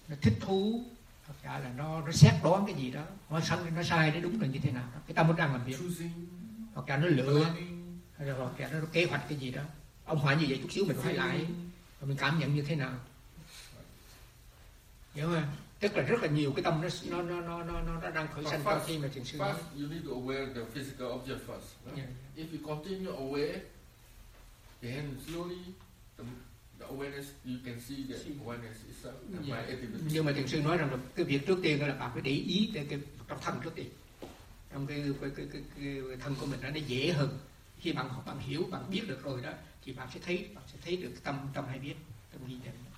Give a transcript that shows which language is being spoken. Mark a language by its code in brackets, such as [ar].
[vi] thích thú, hoặc là nó xét đoán cái gì đó, nó sai đấy, đúng là như thế nào, cái tâm nó đang làm việc, hoặc là nó lựa, hoặc là nó kế hoạch cái gì đó, ông hỏi như vậy chút xíu mình hỏi lại, và mình cảm nhận như thế nào, hiểu không? Tức là rất là nhiều cái tâm nó đang khởi sanh trong khi mà thiền sư. [en] First, you need to aware the physical object first. Yeah. If you continue aware, then slowly the awareness, you can see that awareness is the mind. [vi] Nhưng mà thiền sư nói rằng là cái việc trước tiên là bạn phải để ý tới cái trong thân trước đi, trong cái thân của mình nó dễ hơn. Khi bạn hiểu, bạn biết được rồi đó, thì bạn sẽ thấy được tâm hay biết, tâm nhìn nhận.